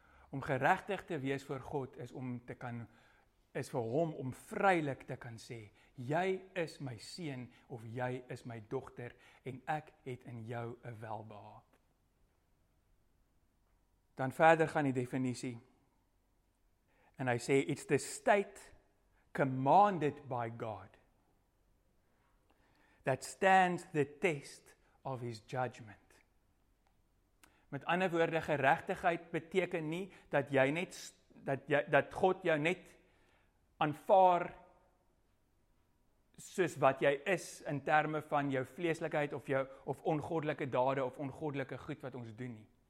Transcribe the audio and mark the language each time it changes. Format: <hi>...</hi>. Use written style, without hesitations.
<af>Om geregtig te wees voor God is om te kan is vir hom om vrylik te kan sê, jy is my seun of jy is my dogter en ek het in jou 'n welbehaag. Dan verder gaan die definisie. En hy sê,</af> <en>it's the state commanded by God that stands the test of his judgment.</en> <af>Met ander woorde, geregtigheid beteken nie dat jy net dat God jou net aanvaar soos wat jy is in terme van jou vleeslikheid of jou of ongoddelike dade of ongoddelike goed wat ons doen nie.</af>